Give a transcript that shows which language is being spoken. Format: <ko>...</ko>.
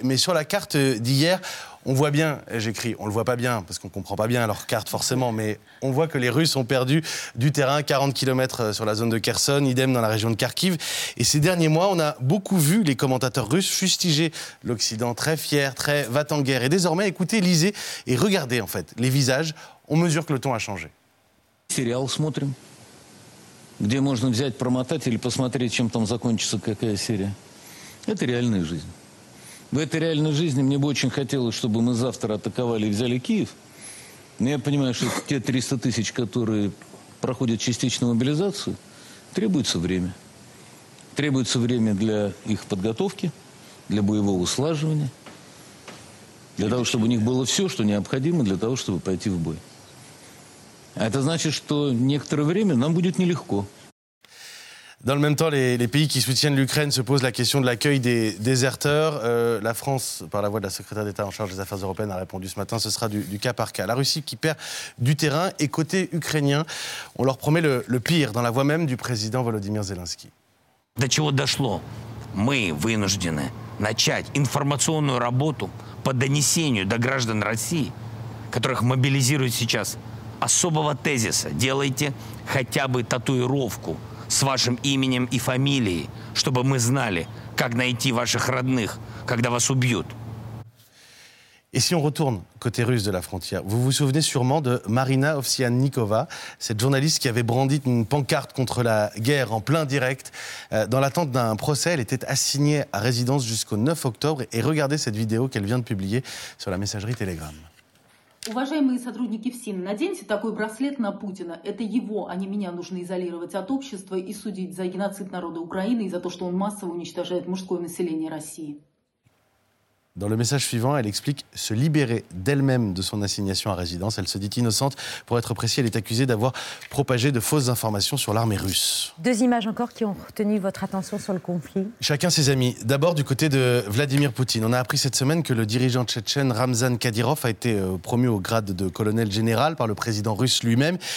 <fr>Mais sur la carte d'hier, on voit bien, j'écris, on le voit pas bien, parce qu'on comprend pas bien leur carte forcément, mais on voit que les Russes ont perdu du terrain, 40 km sur la zone de Kherson, idem dans la région de Kharkiv. Et ces derniers mois, on a beaucoup vu les commentateurs russes fustiger l'Occident, très fier, très va-t-en-guerre. Et désormais, écoutez, lisez et regardez, en fait, les visages, on mesure que le ton a changé.</fr> <ru>Сериал смотрим, где можно взять, промотать или посмотреть, чем там закончится, какая серия. Это реальная жизнь. В этой реальной жизни мне бы очень хотелось, чтобы мы завтра атаковали и взяли Киев. Но я понимаю, что те 300 тысяч, которые проходят частичную мобилизацию, требуется время. Требуется время для их подготовки, для боевого слаживания, для того, чтобы у них было все, что необходимо для того, чтобы пойти в бой. А это значит, что некоторое время нам будет нелегко.</ru> <fr>Dans le même temps, les pays qui soutiennent l'Ukraine se posent la question de l'accueil des déserteurs. La France, par la voix de la secrétaire d'État en charge des affaires européennes, a répondu ce matin, ce sera du cas par cas. La Russie qui perd du terrain, et côté ukrainien, on leur promet le pire, dans la voix même du président Volodymyr Zelensky.</fr> <ru>До чего дошло? Мы вынуждены начать информационную работу по донесению до граждан России, которых мобилизируют сейчас, особого тезиса. Делайте хотя бы татуировку с вашим именем и фамилией, чтобы мы знали, как найти ваших родных, когда вас убьют.</ru> <fr>Et si on retourne côté russe de la frontière, vous vous souvenez sûrement de Marina Ovsiannikova, cette journaliste qui avait brandi une pancarte contre la guerre en plein direct. Dans l'attente d'un procès, elle était assignée à résidence jusqu'au 9 octobre. Et regardez cette vidéo qu'elle vient de publier sur la messagerie Telegram.</fr> <ru>Уважаемые сотрудники ФСИН, наденьте такой браслет на Путина. Это его, а не меня, нужно изолировать от общества и судить за геноцид народа Украины и за то, что он массово уничтожает мужское население России.</ru> <fr>Dans le message suivant, elle explique se libérer d'elle-même de son assignation à résidence. Elle se dit innocente. Pour être précis, elle est accusée d'avoir propagé de fausses informations sur l'armée russe. Deux images encore qui ont retenu votre attention sur le conflit. Chacun ses amis. D'abord, du côté de Vladimir Poutine. On a appris cette semaine que le dirigeant tchétchène Ramzan Kadyrov a été promu au grade de colonel général par le président russe lui-même.</fr>